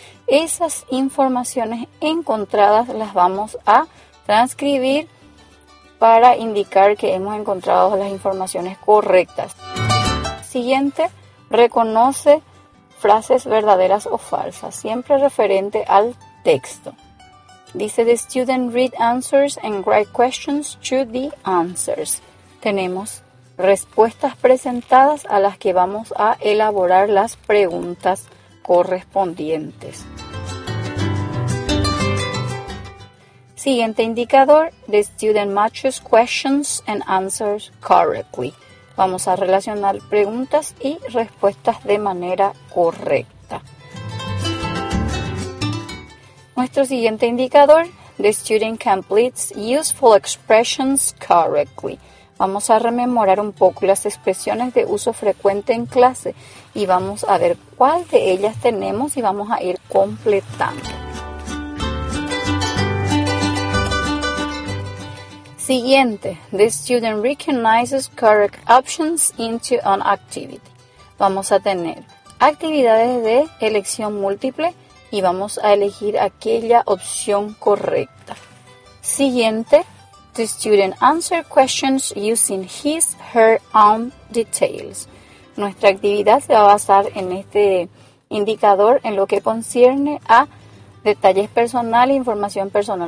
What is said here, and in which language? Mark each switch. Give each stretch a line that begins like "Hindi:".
Spanish: Esas informaciones encontradas las vamos a transcribir para indicar que hemos encontrado las informaciones correctas. Siguiente, reconoce frases verdaderas o falsas, siempre referente al texto.
English: Dice: The student read answers and write questions to the answers.
Spanish: Tenemos respuestas presentadas a las que vamos a elaborar las preguntas correspondientes. Siguiente indicador:
English: The student matches questions and answers correctly.
Spanish: Vamos a relacionar preguntas y respuestas de manera correcta. Nuestro siguiente indicador:
English: The student completes useful expressions correctly.
Spanish: Vamos a rememorar un poco las expresiones de uso frecuente en clase y vamos a ver cuál de ellas tenemos y vamos a ir completando.
English: Siguiente, the student recognizes correct options into an activity.
Spanish: Vamos a tener actividades de elección múltiple y vamos a elegir aquella opción correcta.
English: Siguiente, the student answers questions using his, her own details.
Spanish: Nuestra actividad se va a basar en este indicador en lo que concierne a detalles personales, información personal.